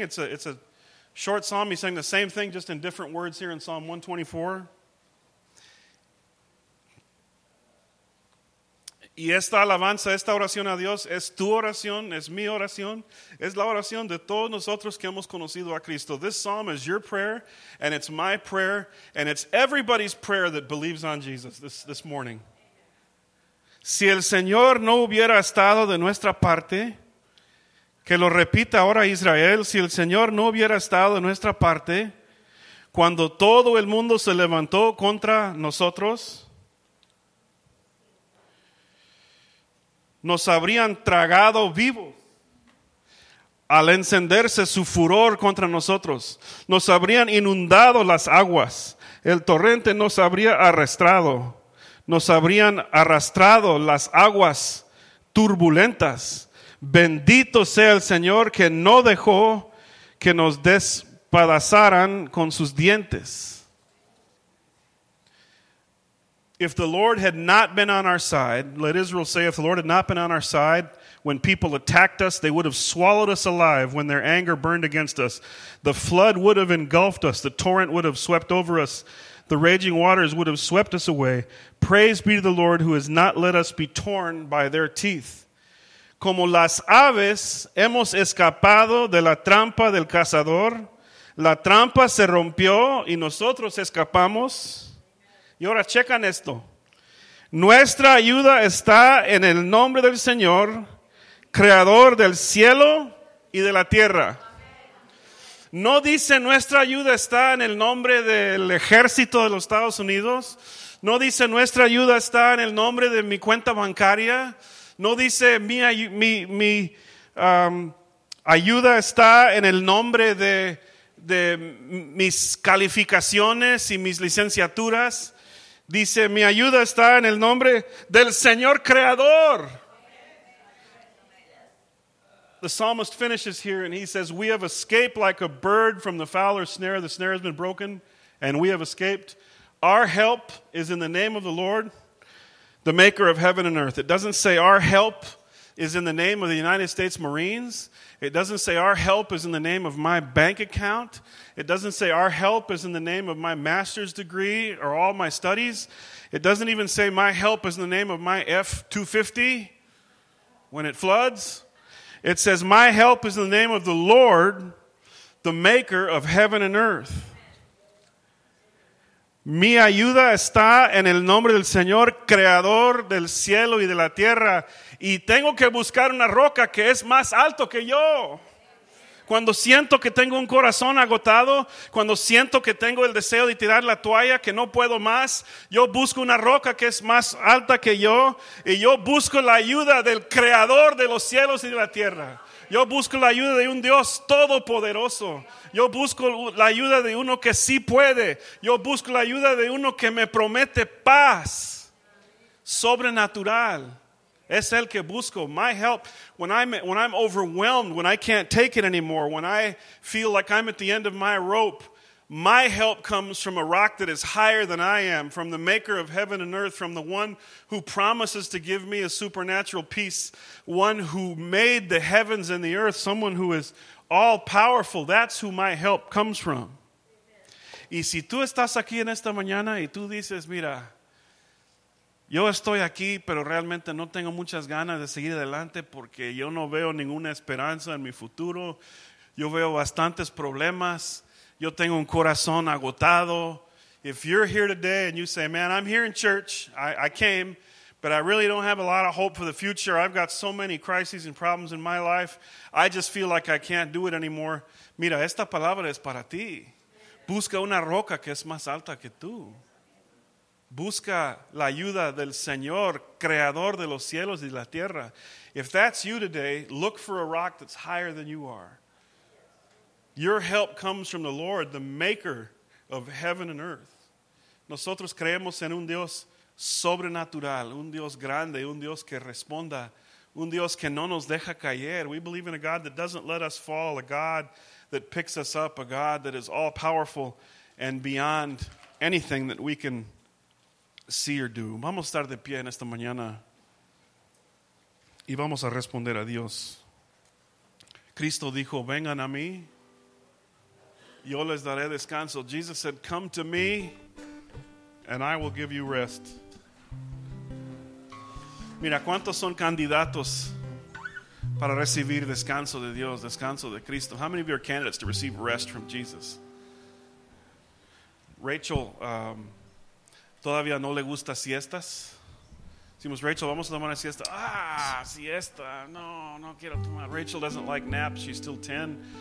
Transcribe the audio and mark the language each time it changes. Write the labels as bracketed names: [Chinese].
[English] It's a short psalm. He's saying the same thing, just in different words here in Psalm 124. [Spanish] Y esta alabanza, esta oración a Dios, es tu oración, es mi oración, es la oración de todos nosotros que hemos conocido a Cristo. [English] This psalm is your prayer, and it's my prayer, and it's everybody's prayer that believes on Jesus this morning. [Spanish] Si el Señor no hubiera estado de nuestra parte, que lo repita ahora Israel, si el Señor no hubiera estado de nuestra parte, cuando todo el mundo se levantó contra nosotros, nos habrían tragado vivos al encenderse su furor contra nosotros. Nos habrían inundado las aguas. El torrente nos habría arrastrado. Nos habrían arrastrado las aguas turbulentas. Bendito sea el Señor que no dejó que nos despedazaran con sus dientes. [English] If the Lord had not been on our side, let Israel say, if the Lord had not been on our side, when people attacked us, they would have swallowed us alive when their anger burned against us. The flood would have engulfed us. The torrent would have swept over us. The raging waters would have swept us away. Praise be to the Lord who has not let us be torn by their teeth. [Spanish] Como las aves hemos escapado de la trampa del cazador. La trampa se rompió y nosotros escapamos. Y ahora checan esto. Nuestra ayuda está en el nombre del Señor, creador del cielo y de la tierra. No dice nuestra ayuda está en el nombre del ejército de los Estados Unidos. No dice nuestra ayuda está en el nombre de mi cuenta bancaria. No dice mi ayuda está en el nombre de mis calificaciones y mis licenciaturas. Dice, mi ayuda está en el nombre del Señor Creador. [English] The psalmist finishes here and he says, we have escaped like a bird from the fowler's snare. The snare has been broken and we have escaped. Our help is in the name of the Lord, the maker of heaven and earth. It doesn't say our help is in the name of the United States Marines. It doesn't say our help is in the name of my bank account. It doesn't say our help is in the name of my master's degree or all my studies. It doesn't even say my help is in the name of my F-250 when it floods. It says my help is in the name of the Lord, the maker of heaven and earth. [Spanish] Mi ayuda está en el nombre del Señor, creador del cielo y de la tierra. Y tengo que buscar una roca que es más alto que yo. Cuando siento que tengo un corazón agotado, cuando siento que tengo el deseo de tirar la toalla, que no puedo más, yo busco una roca que es más alta que yo. Y yo busco la ayuda del creador de los cielos y de la tierra. Yo busco la ayuda de un Dios todopoderoso. Yo busco la ayuda de uno que sí puede. Yo busco la ayuda de uno que me promete paz sobrenatural. Es el que busco. [English] My help, when I'm overwhelmed, when I can't take it anymore, when I feel like I'm at the end of my rope, my help comes from a rock that is higher than I am, from the maker of heaven and earth, from the one who promises to give me a supernatural peace, one who made the heavens and the earth, someone who is all powerful. That's who my help comes from. Amen. [Spanish] Y si tú estás aquí en esta mañana y tú dices, mira, yo estoy aquí, pero realmente no tengo muchas ganas de seguir adelante porque yo no veo ninguna esperanza en mi futuro. Yo veo bastantes problemas. Yo tengo un corazón agotado. [English] If you're here today and you say, man, I'm here in church. I came, but I really don't have a lot of hope for the future. I've got so many crises and problems in my life. I just feel like I can't do it anymore. [Spanish] Mira, esta palabra es para ti. Busca una roca que es más alta que tú. Busca la ayuda del Señor, creador de los cielos y la tierra. [English] If that's you today, look for a rock that's higher than you are. Your help comes from the Lord, the maker of heaven and earth. [Spanish] Nosotros creemos en un Dios sobrenatural, un Dios grande, un Dios que responda, un Dios que no nos deja caer. [English] We believe in a God [Spanish] that doesn't let us fall, a God [English] that picks us up, a God that is all-powerful and beyond anything that we can see or do. [Spanish] Vamos a estar de pie en esta mañana y vamos a responder a Dios. Cristo dijo, vengan a mí, yo les daré descanso. [English] Jesus said, come to me, and I will give you rest. [Spanish] Mira, ¿cuántos son candidatos para recibir descanso de Dios, descanso de Cristo? [English] How many of you are candidates to receive rest from Jesus? [Spanish] Rachel, todavía no le gusta siestas. Decimos, Rachel, vamos a tomar una siesta. Ah, siesta. No, no quiero tomar. [English] Rachel doesn't like naps. She's still 10.